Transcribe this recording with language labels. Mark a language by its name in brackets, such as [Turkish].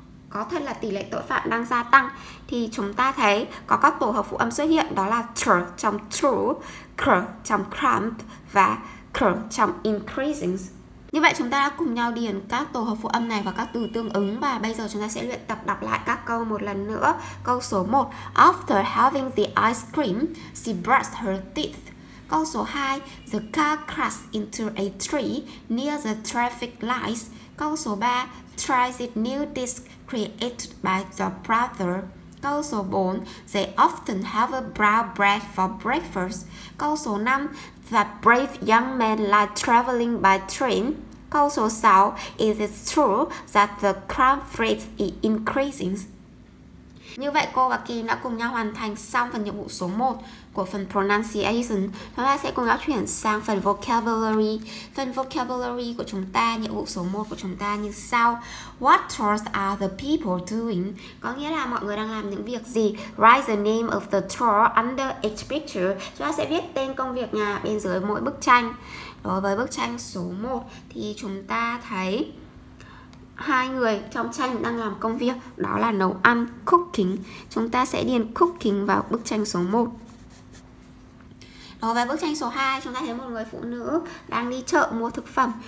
[Vietnamese] Có thật là tỷ lệ tội phạm đang gia tăng? Thì chúng ta thấy có các tổ hợp phụ âm xuất hiện, đó là tr trong true, cr trong crime và trong increasing. Như vậy chúng ta đã cùng nhau điền các tổ hợp phụ âm này và các từ tương ứng. Và bây giờ chúng ta sẽ luyện tập đọc lại các câu một lần nữa. Câu số 1, [English] after having the ice cream, she brushed her teeth. [Vietnamese] Câu số 2, [English] the car crashed into a tree near the traffic lights. [Vietnamese] Câu số 3, [English] try this new dish created by the brother. [Vietnamese] Câu số 4, [English] they often have a brown bread for breakfast. [Vietnamese] Câu số 5, [English] that brave young man like traveling by train. [Vietnamese] Câu số 6, [English] is it true that the crime rate is increasing? [Vietnamese] Như vậy cô và Kim đã cùng nhau hoàn thành xong phần nhiệm vụ số 1 của phần pronunciation. Chúng ta sẽ cùng nhau chuyển sang phần vocabulary. Phần vocabulary của chúng ta, nhiệm vụ số 1 của chúng ta như sau. [English] What chores are the people doing? [Vietnamese] Có nghĩa là mọi người đang làm những việc gì? [English] Write the name of the chore under each picture. [Vietnamese] Chúng ta sẽ viết tên công việc nhà bên dưới mỗi bức tranh. Đối với bức tranh số 1 thì chúng ta thấy hai người trong tranh đang làm công việc, đó là nấu ăn, cooking. Chúng ta sẽ điền cooking vào bức tranh số 1. Đối với bức tranh số 2, chúng ta thấy một người phụ nữ đang đi chợ mua thực phẩm.